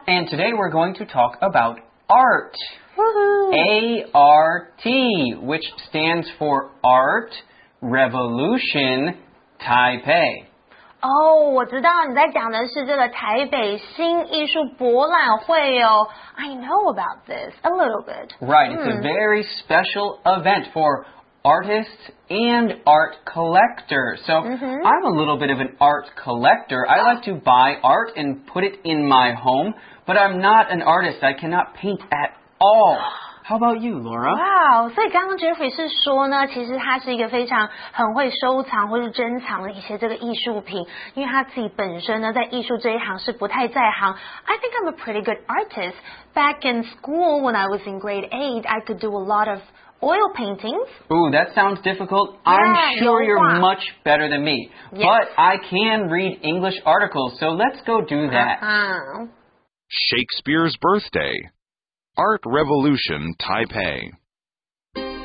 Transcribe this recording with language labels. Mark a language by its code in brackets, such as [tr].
[en] And today we're going to talk about art. Woohoo! A-R-T, which stands for Art Revolution Taipei. [zh] 我知道你在讲的是这个台北新艺术博览会哦。 [en] I know about this a little bit. Right, it's a very special event for artists and art collectors. So, I'm a little bit of an art collector. I like to buy art and put it in my home, but I'm not an artist. I cannot paint at all. How about you, Laura? [zh] Wow, 所以刚刚 Jeffrey 是说呢，其实他是一个非常很会收藏或是珍藏的一些这个艺术品，因为他自己本身呢在艺术这一行是不太在行。 [en] I think I'm a pretty good artist. Back in school, when I was in grade 8, I could do a lot of oil paintings. Ooh, that sounds difficult. I'm sure you're much better than me. Yes. But I can read English articles, so let's go do that. Shakespeare's Birthday. Art Revolution Taipei.